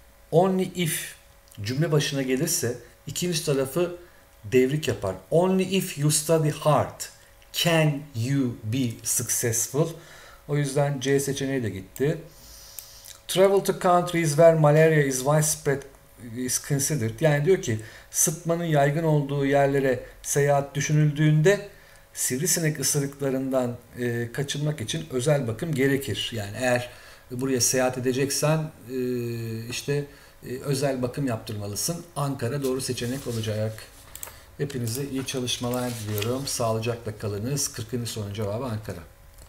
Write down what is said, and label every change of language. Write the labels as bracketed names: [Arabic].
[Turkish] Only if cümle başına gelirse ikinci tarafı devrik yapar. [English] Only if you study hard can you be successful. [Turkish] O yüzden C seçeneği de gitti. [English] Travel to countries where malaria is widespread is considered. [Turkish] Yani diyor ki sıtmanın yaygın olduğu yerlere seyahat düşünüldüğünde sivrisinek ısırıklarından kaçınmak için özel bakım gerekir. Yani eğer buraya seyahat edeceksen işte özel bakım yaptırmalısın. Ankara doğru seçenek olacak. Hepinize iyi çalışmalar diliyorum. Sağlıcakla kalınız. 40. sorunun cevabı Ankara.